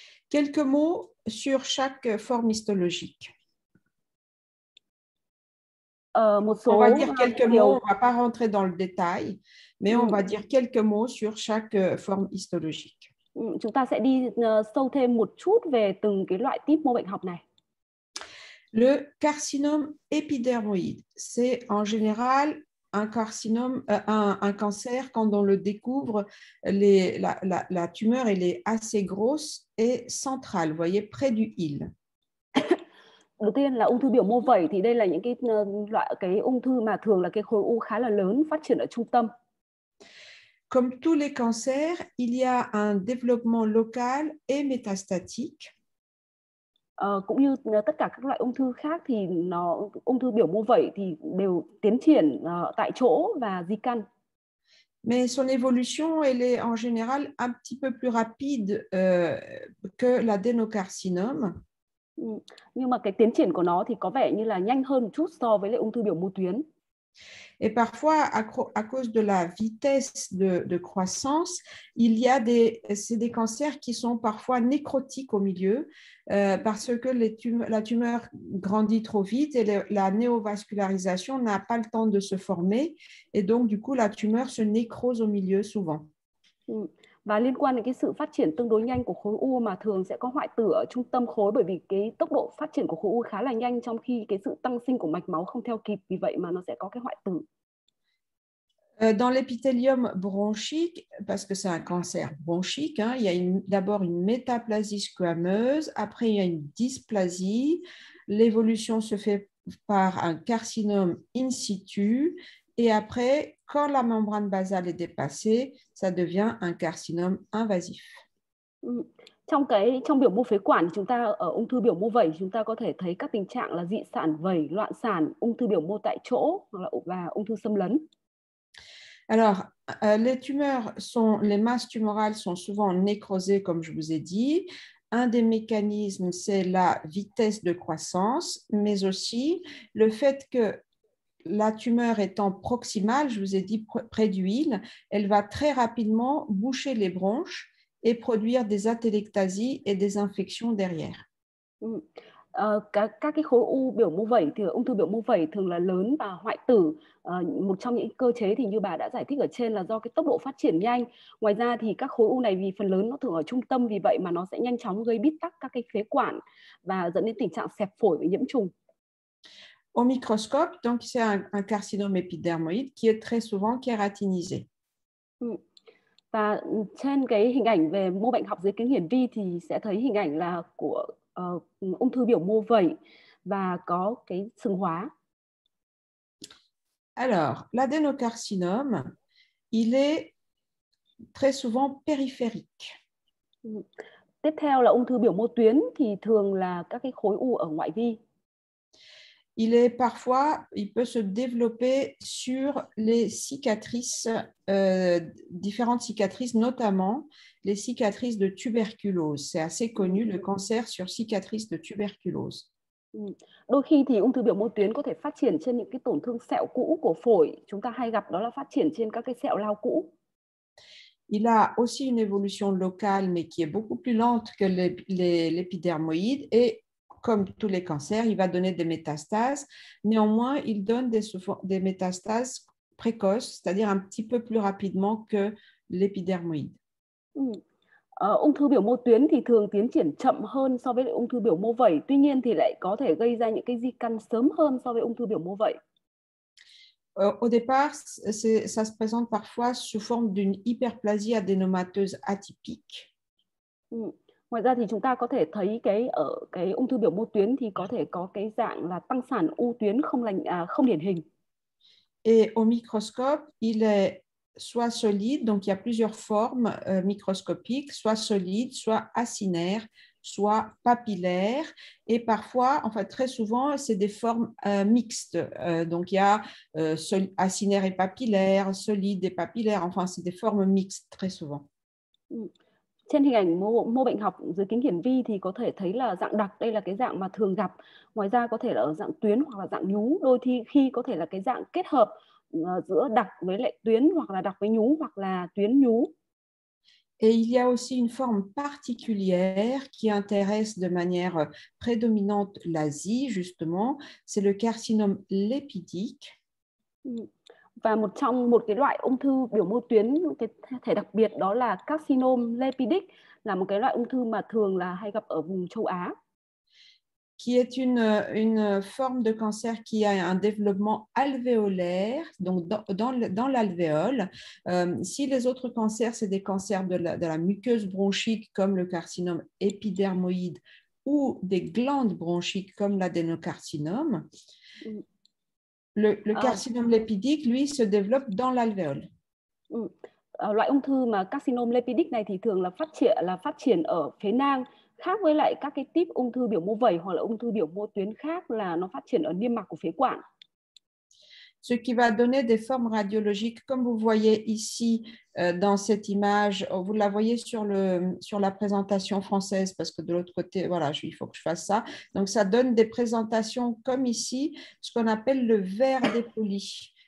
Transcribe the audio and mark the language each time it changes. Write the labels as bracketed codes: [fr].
[fr] Quelques mots sur chaque forme histologique. [vi] Một [fr] On va [vi] số [fr] dire quelques mots, on ne [vi] điều [fr] va pas rentrer dans le détail, mais on va dire quelques mots sur chaque forme histologique. [vi] Chúng ta sẽ đi sâu thêm một chút về từng cái loại type mô bệnh học này. [fr] Le carcinome épidermoïde, c'est en général un cancer quand on le découvre, la tumeur elle est assez grosse et centrale, vous voyez, près du hile. [vi] Đầu tiên là ung thư biểu mô vẩy, thì đây là những cái loại cái ung thư mà thường là cái khối u khá là lớn phát triển ở trung tâm. [fr] Comme tous les cancers, il y a un développement local et métastatique. [vi] Cũng như tất cả các loại ung thư khác thì ung thư biểu mô vẩy thì đều tiến triển tại chỗ và di căn. [fr] Mais son évolution, elle est en général un petit peu plus rapide que l'adénocarcinome. [vi] Nhưng mà cái tiến triển của nó thì có vẻ như là nhanh hơn một chút so với lại ung thư biểu mô tuyến. [fr] Et parfois, à cause de la vitesse de croissance, c'est des cancers qui sont parfois nécrotiques au milieu, parce que la tumeur grandit trop vite et la néovascularisation n'a pas le temps de se former. Et donc, du coup, la tumeur se nécrose au milieu souvent. [vi] Và liên quan đến cái sự phát triển tương đối nhanh của khối u mà thường sẽ có hoại tử ở trung tâm khối, bởi vì cái tốc độ phát triển của khối u khá là nhanh trong khi cái sự tăng sinh của mạch máu không theo kịp, vì vậy mà nó sẽ có cái hoại tử. [fr] Dans l'épithélium bronchique, parce que c'est un cancer bronchique, hein, il y a d'abord une métaplasie squameuse, après il y a une dysplasie, l'évolution se fait par un carcinome in situ, et après, quand la membrane basale est dépassée, ça devient un carcinome invasif. [vi] trong cái trong biểu mô phế quản thì chúng ta ở ung thư biểu mô vẩy chúng ta có thể thấy các tình trạng là dị sản vẩy, loạn sản, ung thư biểu mô tại chỗ hoặc là và ung thư xâm lấn. [fr] Alors, les tumeurs sont, les masses tumorales sont souvent nécrosées, comme je vous ai dit. Un des mécanismes, c'est la vitesse de croissance, mais aussi le fait que la tumeur étant proximale, je vous ai dit près d'huile, elle va très rapidement boucher les bronches et produire des atélectasies et des infections derrière. [vi] Các cái khối u biểu mô vẩy thì ung thư biểu mô vẩy thường là lớn và hoại tử. Một trong những cơ chế thì như bà đã giải thích ở trên là do cái tốc độ phát triển nhanh. Ngoài ra thì các khối u này vì phần lớn nó thường ở trung tâm, vì vậy mà nó sẽ nhanh chóng gây bít tắc các cái phế quản và dẫn đến tình trạng xẹp phổi và nhiễm trùng. [fr] Au microscope, donc c'est un carcinome épidermoïde qui est très souvent kératinisé. [vi] Và trên cái hình ảnh về mô bệnh học dưới kính hiển vi thì sẽ thấy hình ảnh là của ung thư biểu mô vẩy và có cái sừng hóa. [fr] Alors, l'adénocarcinome, il est très souvent périphérique. [vi] Tiếp theo là ung thư biểu mô tuyến thì thường là các cái khối u ở ngoại vi. [fr] Il est parfois, il peut se développer sur les cicatrices, différentes cicatrices, notamment les cicatrices de tuberculose. C'est assez connu, le cancer sur cicatrices de tuberculose. [vi] Đôi khi thì ung thư biểu mô tuyến có thể phát triển trên những cái tổn thương sẹo cũ của phổi. Chúng ta hay gặp đó là phát triển trên các cái sẹo lao cũ. [fr] Il a aussi une évolution locale, mais qui est beaucoup plus lente que l'épidermoïde et comme tous les cancers, il va donner des métastases. Néanmoins, il donne des métastases précoces, c'est-à-dire un petit peu plus rapidement que l'épidermoïde. [vi] Ung thư biểu mô tuyến thì thường tiến triển chậm hơn so với ung thư biểu mô vẩy. Tuy nhiên, thì lại có thể gây ra những cái di căn sớm hơn so với ung thư biểu mô vẩy. [fr] Au départ, ça se présente parfois sous forme d'une hyperplasie adénomateuse atypique. [vi] Ngoài ra thì chúng ta có thể thấy cái ở cái ung thư biểu mô tuyến thì có thể có cái dạng là tăng sản u tuyến không lành không điển hình. [fr] Et au microscope, il est soit solide, donc il y a plusieurs formes microscopiques, soit solide, soit acinaire, soit papillaire et parfois enfin très souvent c'est des formes mixtes. Donc il y a acinaire et papillaire, solide et papillaire, enfin c'est des formes mixtes très souvent. [vi] Trên hình ảnh mô bệnh học dưới kính hiển vi thì có thể thấy là dạng đặc, đây là cái dạng mà thường gặp. Ngoài ra có thể là ở dạng tuyến hoặc là dạng nhú, đôi khi có thể là cái dạng kết hợp giữa đặc với lại tuyến hoặc là đặc với nhú hoặc là tuyến nhú. [fr] Et il y a aussi une forme particulière qui intéresse de manière prédominante l'Asie justement, c'est le carcinome lipidique. [vi] Và một trong một cái loại ung thư biểu mô tuyến cái thể đặc biệt đó là carcinome lipidic, là một cái loại ung thư mà thường là hay gặp ở vùng châu Á. [fr] Qui est une forme de cancer qui a un développement alvéolaire, donc dans l'alvéole. Si les autres cancers, c'est des cancers de la muqueuse bronchique comme le carcinome épidermoïde ou des glandes bronchiques comme l'adénocarcinome. Le carcinome lipidique, lui, se développe dans l'alvéole. [vi] Loại ung thư mà carcinome lipidique này thì thường là phát triển ở phế nang, khác với lại các cái type ung thư biểu mô vẩy hoặc là ung thư biểu mô tuyến khác là nó phát triển ở niêm mạc của phế quản. [fr] Ce qui va donner des formes radiologiques, comme vous voyez ici dans cette image, vous la voyez sur la présentation française, parce que de l'autre côté, voilà, il faut que je fasse ça. Donc, ça donne des présentations comme ici, ce qu'on appelle le vert dépoli.